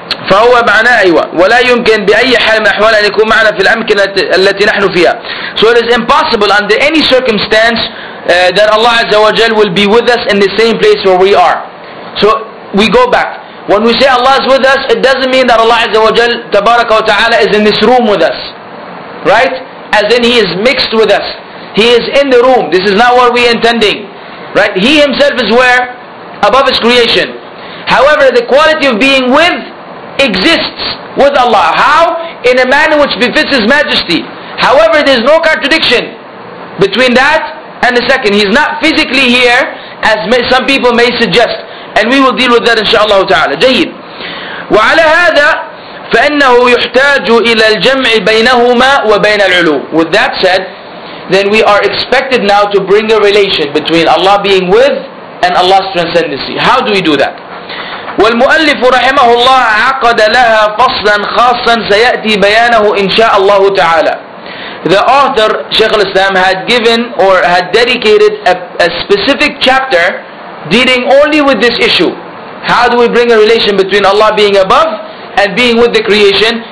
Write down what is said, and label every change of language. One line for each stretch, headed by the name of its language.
Arabic: فهو معنى أيوة ولا يمكن بأي حال من الأحوال أن يكون معنا في الأمكنة التي نحن فيها.
English: So it is impossible under any circumstance that Allah Azza wa Jal will be with us in the same place where we are. So we go back. When we say Allah is with us, it doesn't mean that Allah Azza wa Jal Tabaraka wa Ta'ala is in this room with us. Right? As in He is mixed with us. He is in the room. This is not what we are intending. Right? He Himself is where? Above His creation. However, the quality of being with exists with Allah. How? In a manner which befits His majesty. However, there is no contradiction between that and the second. He is not physically here as some people may suggest. And we will deal with that inshaAllah ta'ala.
Arabic: جيد. وعلى هذا فإنه يحتاج إلى الجمع بينهما وبين العلو.
English: With that said, then we are expected now to bring a relation between Allah being with and Allah's transcendency. How do we do that?
Arabic: والمؤلف رحمه الله عقد لها فصلا خاصا سيأتي بيانه إن شاء الله تعالى.
English: The author, Shaykh al-Islam, had given or had dedicated a specific chapter dealing only with this issue. How do we bring a relation between Allah being above and being with the creation?